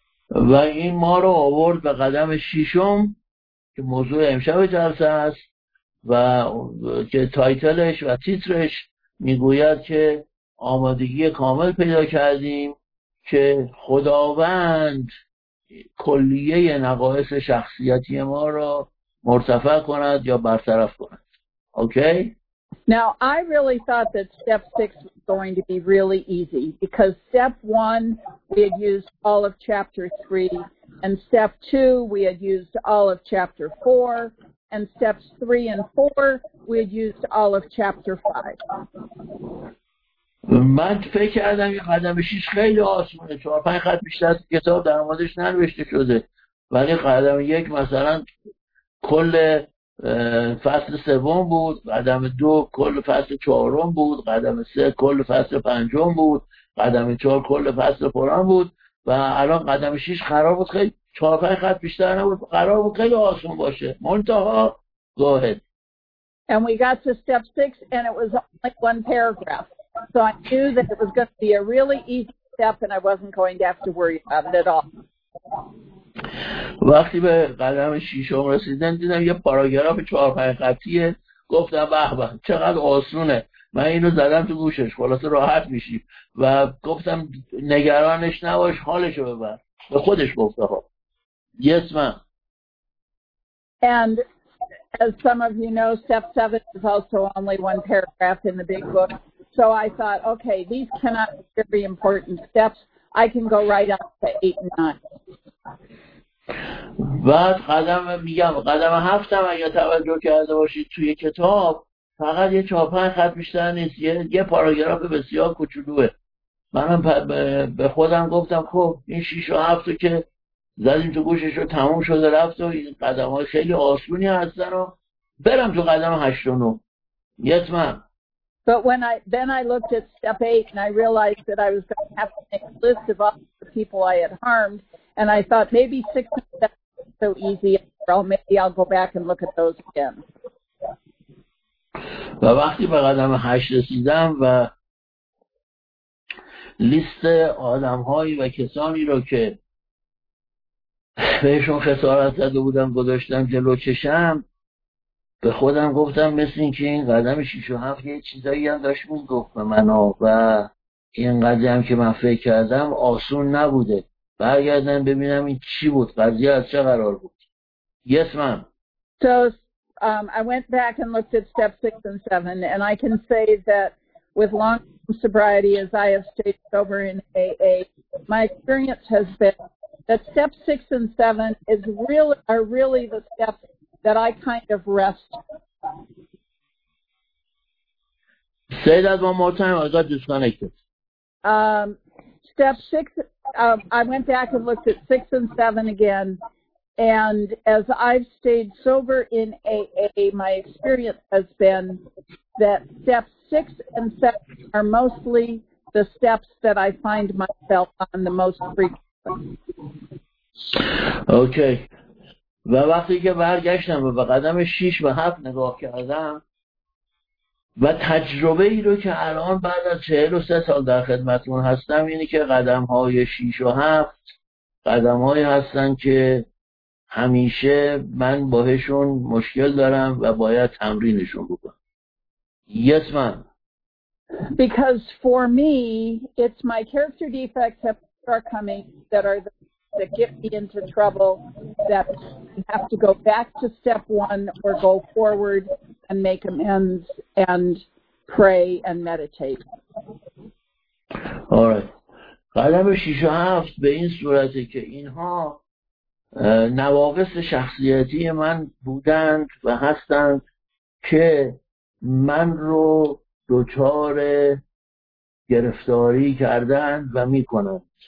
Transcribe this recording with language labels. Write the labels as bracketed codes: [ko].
[fa] و این ما رو آورد به قدم 6 که موضوع امشب جلسه است و که تایتلش و تیترش میگوید که آمادگی کامل پیدا کردیم که خداوند کلیه نقایص شخصیتی ما را مرتفع کند یا برطرف کند. [en] Okay? Now, I really thought that step 6 was going to be really easy because step 1, we had used all of chapter 3, and step 2, we had used all of chapter 4, and steps 3 and 4, we had used all of chapter 5. [fa] من فکر کردم یه قدم 6 خیلی آسونه، 4-5 خط بیشتر از کتاب در موردش ننوشته شده، ولی قدم 1 مثلا کل فصل سوم بود، قدم دو کل فصل چهارم بود، قدم سه کل فصل پنجم بود، قدم چهار کل فصل فلان بود و الان قدم شیش قرار بود خیلی چهار پنج خط بیشتر نبود، قرار بود خیلی آسون باشه. منتها [en] go ahead. And we got to step six and it was only one paragraph. So I knew that it was going to be a really easy step and I wasn't going to have to worry about it at all. [fa] وقتی به قدم شیشم رسیدن دیدم یه پاراگراف چهار پنج خطیه، گفتم به به چقدر آسونه، من اینو زدم تو گوشش خلاصه راحت میشی و گفتم نگرانش نباش حالشو ببر به خودش گفته خب. [en] Yes ma'am. And as some of you know, step 7 is also only one paragraph in the big book. So I thought, okay, these cannot be very important steps. I can go right up to 8 and 9. [fa] بعد قدم میگم قدم هفتم اگه توجه کرده باشید توی کتاب فقط یه چهار پنج خط بیشتر نیست، یه پاراگراف بسیار کوچولوه. منم به خودم گفتم خب این شیش و هفت رو که زدیم تو گوشش رو تموم شده رفت و این قدم های خیلی آسونی هستن و برم تو قدم هشت و نو. [en] Yes ma'am. But when I looked at step 8 and I realized that I was going to have to make a list of all the people I had harmed, and I thought maybe 6 and 7 is so easy, or maybe I'll go back and look at those again. [fa] و وقتی به قدم 8 رسیدم و لیست آدم‌هایی و کسانی رو که بهشون خسارت زده بودم گذاشتم جلو چشم، به خودم گفتم مثل این که این قدم شیش و هفت یه چیزایی هم داشت میگفت به من و این قضیه هم که من فکر کردم آسون نبوده، برگردم ببینم این چی بود، قضیه از چه قرار بود. [en] Yes ma'am. So I went back and looked at step 6 and 7 and I can say that with long sobriety as I have stayed sober in AA, my experience has been that step 6 and 7 are really the steps that I kind of rest. Say that one more time, I got disconnected. Step 6, I went back and looked at 6 and 7 again, and as I've stayed sober in AA, my experience has been that step 6 and 7 are mostly the steps that I find myself on the most frequently. Okay. [fa] و وقتی که برگشتم و به قدم 6 و 7 نگاه کردم و تجربه ای رو که الان بعد از 43 سال در خدمتون هستم اینه که قدم های 6 و 7 قدم هایی هستن که همیشه من باهشون مشکل دارم و باید تمرینشون بکنم. [en] Yes ma'am. Because for me it's my character defects that are coming that are the that get me into trouble, that you have to go back to step one or go forward and make amends and pray and meditate. Alright. [fa] قدم 6 و 7 به این صورته که اینها نواقص شخصیتی من بودند و هستند که من رو دچار گرفتاری کردند و می کنند.